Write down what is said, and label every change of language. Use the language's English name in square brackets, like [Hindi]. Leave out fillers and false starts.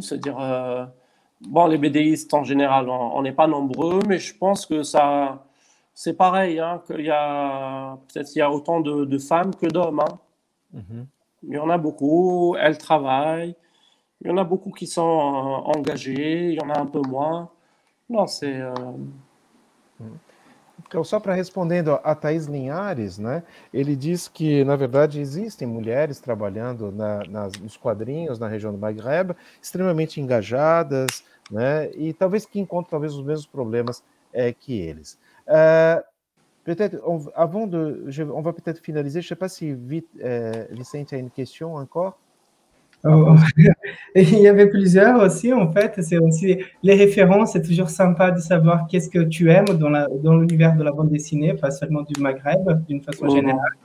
[French] C'est-à-dire, les BDistes en général, on n'est pas nombreux, mais je pense que ça, c'est pareil. Hein, qu'il y a autant de femmes que d'hommes. Hein. Mm-hmm. Il y en a beaucoup, elles travaillent. Il y en a beaucoup qui sont engagées, il y en a un peu moins. Non, c'est... [Portuguese] Então, só para responder a Thaís Linhares, né, ele diz que, na verdade, existem mulheres trabalhando nos quadrinhos na região do Maghreb, extremamente engajadas, né, e talvez que encontrem talvez os mesmos problemas que eles. [French] Peut-être, on va peut-être finaliser. Je ne sais pas si Vicente a une question encore. Oh. Il y avait plusieurs aussi, en fait. C'est aussi les références, c'est toujours sympa de savoir qu'est-ce que tu aimes dans l'univers de la bande dessinée, pas seulement du Maghreb, d'une façon générale.